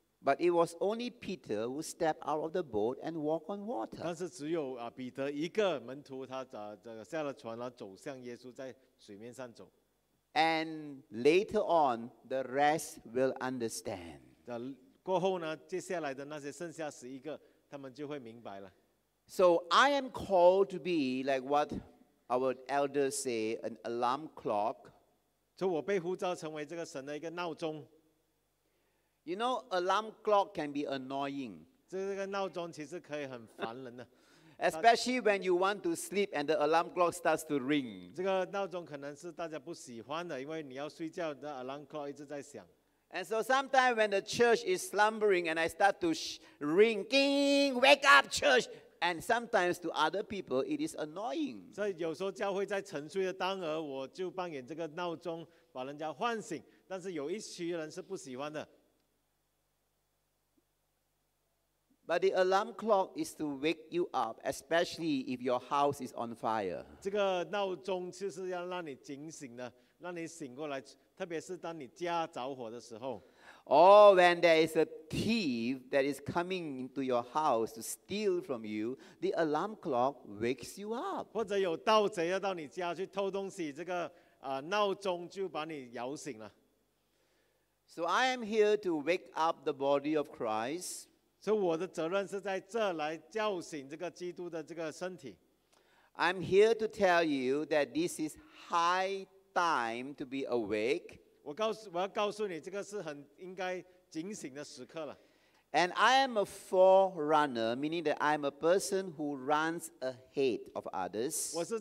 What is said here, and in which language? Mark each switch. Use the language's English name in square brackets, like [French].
[English] But it was only Peter who stepped out of the boat and walked on water. [Chinese] 但是只有彼得一个门徒，他下了船，然后走向耶稣，在水面上走。 [English] And later on, the rest will understand. [Chinese] 过后呢，接下来的那些剩下十一个，他们就会明白了。 [English] So I am called to be like what our elders say, an alarm clock. [Chinese] 所以我被呼召成为这个神的一个闹钟。 [English] You know, alarm clock can be annoying. [Chinese] 这个闹钟其实可以很烦人的。 [English] Especially when you want to sleep and the alarm clock starts to ring. [Chinese] 这个闹钟可能是大家不喜欢的，因为你要睡觉，那 [English] alarm clock [Chinese] 一直在响。 [English] And so sometimes when the church is slumbering and I start to ring, ding, wake up church. And sometimes to other people, it is annoying. [Chinese] 所以有时候教会在沉睡的当儿，我就扮演这个闹钟，把人家唤醒。但是有一群人是不喜欢的。 [English] But the alarm clock is to wake you up, especially if your house is on fire. [Chinese] 这个闹钟就是要让你警醒的，让你醒过来，特别是当你家着火的时候, [English] or when there is a thief that is coming into your house to steal from you, the alarm clock wakes you up. [Chinese] 或者有盗贼要到你家去偷东西, 这个, 闹钟就把你摇醒了。 [English] So I am here to wake up the body of Christ. [Chinese] 所以我的责任是在这来叫醒这个基督的这个身体。 [English] I'm here to tell you that this is high time to be awake. [Chinese] 我要告诉你这个是很应该警醒的时刻了。 [English] And I am a forerunner, meaning that I'm a person who runs ahead of others.